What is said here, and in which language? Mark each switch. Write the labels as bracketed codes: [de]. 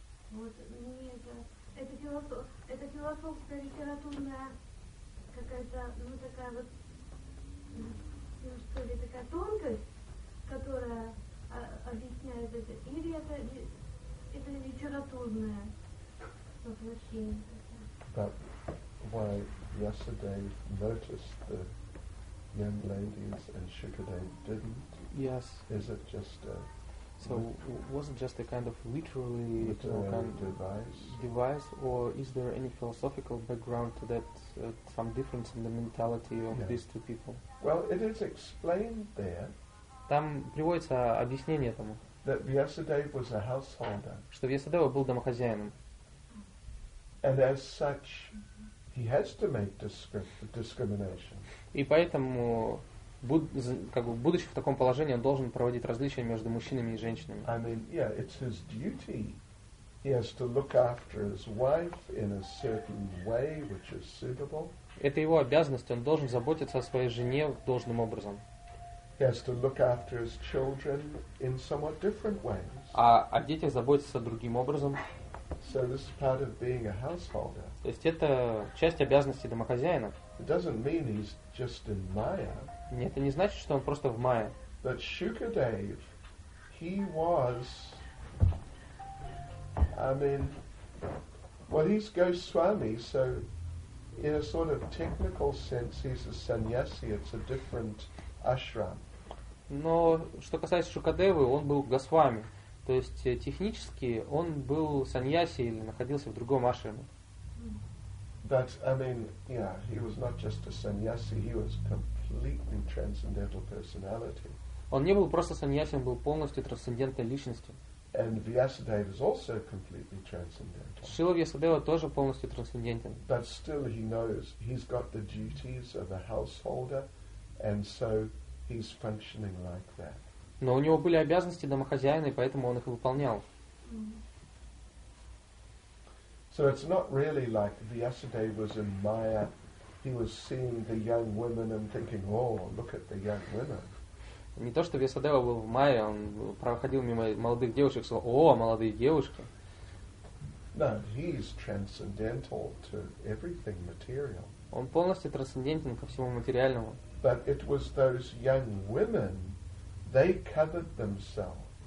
[ru] Вот, мне это философская литературная какая-то, ну такая вот, ну что ли, такая тонкость, которая объясняет это, или это литературное воплощение? [en] But why yesterday noticed the young ladies and Shukadev didn't? Yes. Is it just a... So wasn't just a kind of literally device, or is there any philosophical background to that, some difference in the mentality of these two people? Well, it is explained there. [ru] Там приводится объяснение этому. [en] That Vyasadeva was a householder. [ru] Что Вьясадева был домохозяином. [en] And as such, he has to make discrimination. [ru] И поэтому будучи в таком положении, он должен проводить различия между мужчинами и женщинами. [en] I mean, yeah, it's his duty. He has to look after his wife in a certain way, which is suitable. [ru] Это его обязанность, он должен заботиться о своей жене должным образом. [en] He has to look after his children in somewhat different ways. [ru] А о детях заботиться другим образом. [en] So this is part of being a householder. [ru] То есть это часть обязанности домохозяина. [en] It doesn't mean he's just in Maya. [ru] Нет, это не значит, что он просто в Мае. [en] But Shukadev, he was, I mean, well, he's Goswami, so in a sort of technical sense, he's a sannyasi, it's a different ashram. [ru] Но что касается Шукадевы, он был Госвами. То есть технически он был саньяси или находился в другом ашраме. [en] But I mean, yeah, he was not just a sannyasi, he was completely transcendental personality. [ru] Он не был просто саньяси, он был полностью трансцендентной личностью. [en] And Vyasadeva is also completely transcendental. [ru] Шрила Вьясадева тоже полностью трансцендентен. [en] But still he knows he's got the duties of a householder, and so he's functioning like that. [ru] Но у него были обязанности домохозяина, и поэтому он их выполнял. [en] So it's not really like Vyasadeva was in Maya. He was seeing the young women and thinking, "Oh, look at the young women." [ru] Не то, что Вьясадева был в Майе, он проходил мимо молодых девушек, сказал: "О, молодые девушки." [en] No, he's transcendental to everything material. [ru] Он полностью трансцендентен ко всему материальному. [en] But it was those young women. They covered themselves.